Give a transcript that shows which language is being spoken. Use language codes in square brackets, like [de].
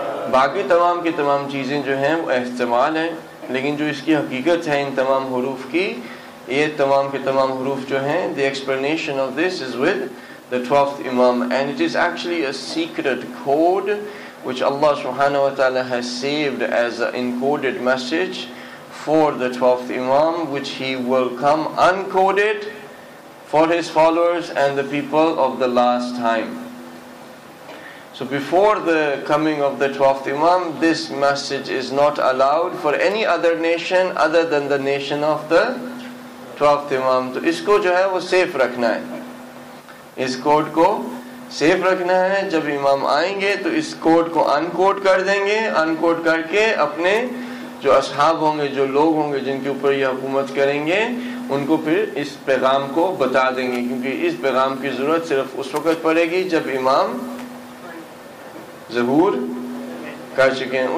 [ur] باقی تمام کی تمام چیزیں جو ہیں [en] وہ احتمال ہیں, لیکن جو اس کی حقیقت ہے ان تمام حروف کی, یہ تمام کے تمام حروف جو ہیں, the explanation of this is with the 12th Imam, and it is actually a secret code which Allah subhanahu wa ta'ala has saved as an encoded message for the 12th Imam, which he will come uncoded for his followers and the people of the last time. So before the coming of the 12th Imam, this message is not allowed for any other nation other than the nation of the 12th Imam. [ur] So isko jo hai wo safe rakhna hai, is code ko safe رکھنا ہے. جب امام آئیں گے تو اس code کو ان code کر دیں گے. ان کوڈ کر کے اپنے جو اصحاب ہوں گے, جو لوگ ہوں گے جن کے اوپر یہ حکومت کریں گے, ان کو پھر اس پیغام کو بتا دیں گے, کیونکہ اس پیغام کی ضرورت صرف اس وقت پڑے گی جب امام ظہور کر چکے ہیں.